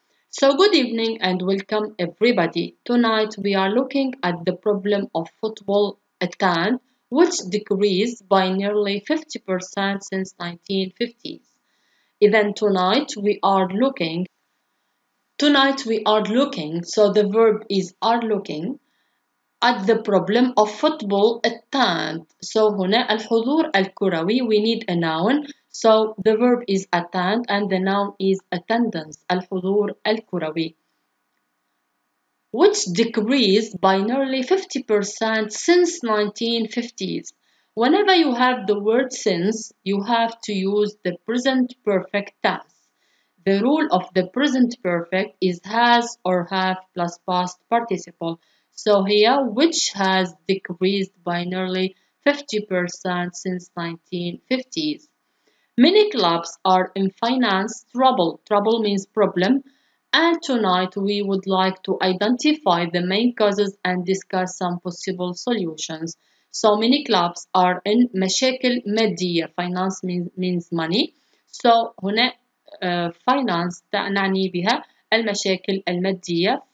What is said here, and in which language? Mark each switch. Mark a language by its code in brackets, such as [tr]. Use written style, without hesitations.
[en] So good evening and welcome everybody. Tonight we are looking at the problem of football attend, which decreased by nearly 50% since 1950s. Even tonight we are looking. Tonight we are looking. So the verb is are looking at the problem of football attend. [ar] So هنا الحضور الكروي. [en] We need a noun. So the verb is attend and the noun is attendance. [ar] الحضور الكروي. [en] Which decreased by nearly 50% since 1950s. Whenever you have the word since, you have to use the present perfect tense. The rule of the present perfect is has or have plus past participle. So here, which has decreased by nearly 50% since 1950s. Many clubs are in finance trouble. Trouble means problem. And tonight we would like to identify the main causes and discuss some possible solutions. So many clubs are in [ar] مشاكل مادية. [en] Finance means money. [ar] So هنا finance نعني بها المشاكل المادية.